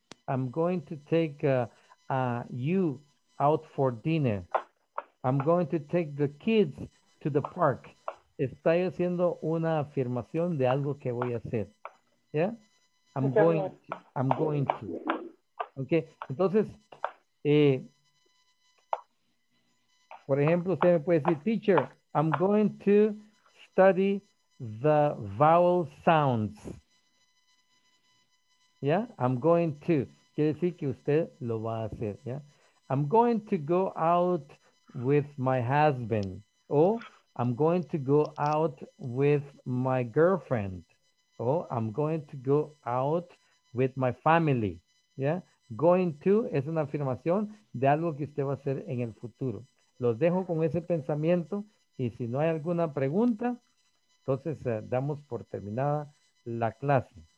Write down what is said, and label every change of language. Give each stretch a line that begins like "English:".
English: I'm going to take you out for dinner. I'm going to take the kids to the park.
Spanish: Estoy haciendo una afirmación de algo que voy a hacer. ¿Ya?
English: I'm going to. Ok.
Spanish: Entonces, por ejemplo, usted me puede decir, teacher,
English: I'm going to study the vowel sounds.
Spanish: ¿Ya?
English: I'm going to.
Spanish: Quiere decir que usted lo va a hacer. ¿Ya?
English: I'm going to go out with my husband. O I'm going to go out with my girlfriend. O I'm going to go out with my family.
Spanish: ¿Ya? Going to es una afirmación de algo que usted va a hacer en el futuro. Los dejo con ese pensamiento y si no hay alguna pregunta, entonces damos por terminada la clase.